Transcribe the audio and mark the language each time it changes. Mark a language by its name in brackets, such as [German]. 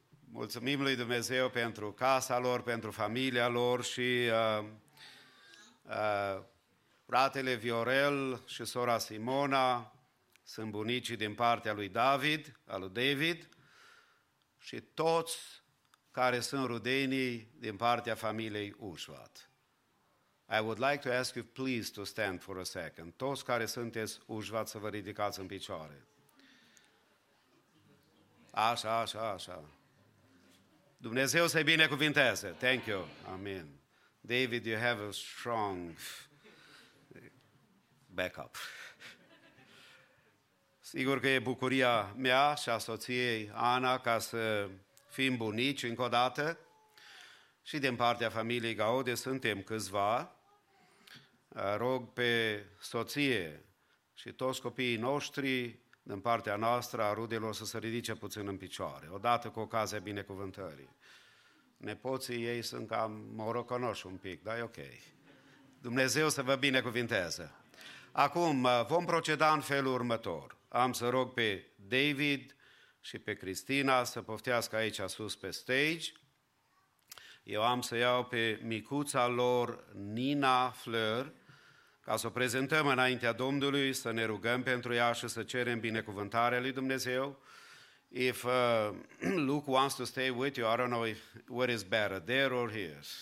[Romanian] Mulțumim lui Dumnezeu pentru casa lor, pentru familia lor și fratele Viorel și sora Simona sunt bunicii din partea lui David, al lui David. Și toți care sunt rudenii din partea familiei Ușvat. [English] I would like to ask you please to stand for a second. [Romanian] Toți care sunteți Ușvat să vă ridicați în picioare. Așa, așa, așa. Dumnezeu să-i binecuvinteze. [English] Thank you. Amen. David, you have a strong backup. [Romanian] Sigur că e bucuria mea și a soției Ana ca să fim bunici încă o dată și din partea familiei Gaude suntem câțiva. Rog pe soție și toți copiii noștri din partea noastră a rudelor să se ridice puțin în picioare, odată cu ocazia binecuvântării. Nepoții ei sunt cam morocănoși un pic, dar e ok. Dumnezeu să vă binecuvinteze. Acum vom proceda în felul următor. Am să rog pe David și pe Cristina să poftească aici sus pe stage. Eu am să iau pe micuța lor Nina Fleur ca să o prezentăm înaintea Domnului, să ne rugăm pentru ea și să cerem binecuvântarea lui Dumnezeu. [English] If Luke wants to stay with you, I don't know if, what is better, there or here.